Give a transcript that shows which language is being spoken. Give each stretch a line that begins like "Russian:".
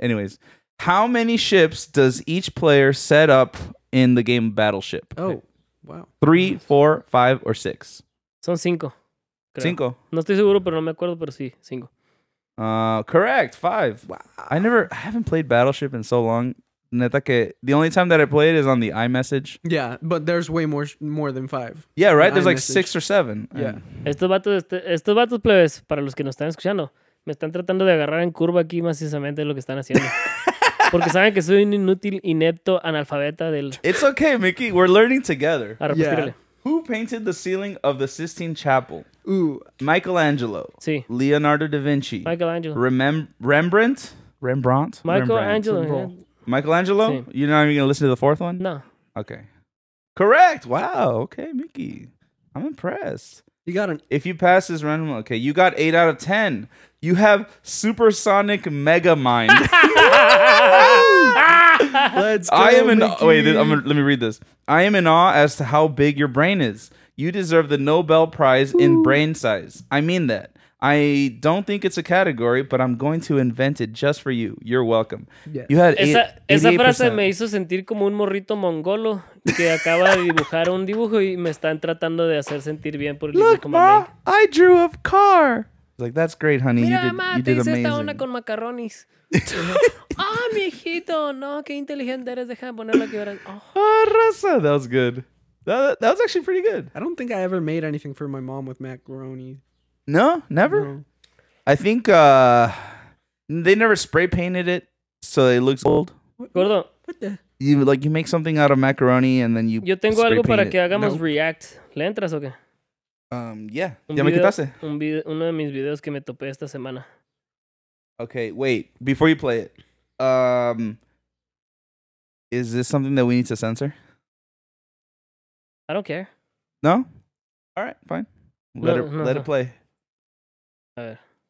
English: Anyways, how many ships does each player set up in the game Battleship? Oh, wow. 3, 4, 5, or 6?
Spanish: Son cinco. Creo. Cinco. No estoy seguro, pero no me acuerdo, pero sí, cinco.
English: Correct, 5. Wow. I haven't played Battleship in so long.
Spanish: Neta que
English: the only time that I played is on the iMessage. Yeah, but there's way more than 5. Yeah, right? There's like 6 or 7. Yeah.
Spanish: Estos vatos, plebes, para los que nos están escuchando, me están tratando de agarrar en curva aquí, más precisamente lo que están haciendo. Porque saben que soy un inútil, inepto, analfabeta del...
English: It's okay, Mickey. We're learning together.
Spanish: Ahora,
English: yeah.
Spanish: Pues,
English: who painted the ceiling of the Sistine Chapel? Ooh. Michelangelo.
Spanish: Sí.
English: Leonardo da Vinci. Michelangelo. Rembrandt? Rembrandt? Michelangelo, yeah.
Spanish: Michelangelo? Sí.
English: You're not even going to listen to the fourth one? No. Okay. Correct. Wow. Okay, Mickey. I'm impressed. You got an... If you pass this random... Okay, you got 8 out of 10. You have supersonic mega mind. Let's go, I am in Mickey. Let me read this. I am in awe as to how big your brain is. You deserve the Nobel Prize in brain size. I mean that. I don't think it's a category, but I'm going to invent it just for you. You're welcome. Yes. You had 88%.
Spanish: Esa frase me hizo sentir como un morrito mongolo que acaba de dibujar un dibujo y me están tratando de hacer sentir bien por el dibujo.
English: Look, ma, I drew a car. Like, that's great, honey.
Spanish: Mira,
English: you did,
Spanish: ma,
English: you did amazing.
Spanish: Te hice esta una con macarrones. Ah, oh, mijito. No, qué inteligente eres. Deja de ponerlo aquí. Oh.
English: Oh, Rosa. That was good. That was actually pretty good. I don't think I ever made anything for my mom with macaroni. No, never? No. I think they never spray painted it, so it looks old. Gordo. What the? You make something out of macaroni, and then you spray paint it.
Spanish: Yo tengo algo para que hagamos react. ¿Le entras o qué? Yeah. ¿Ya me quitaste? Uno de mis videos que me topé esta semana.
English: Okay, wait. Before you play it, is this something that we need to censor? I don't care. No? All right, fine. Let it play.
Spanish: A ver.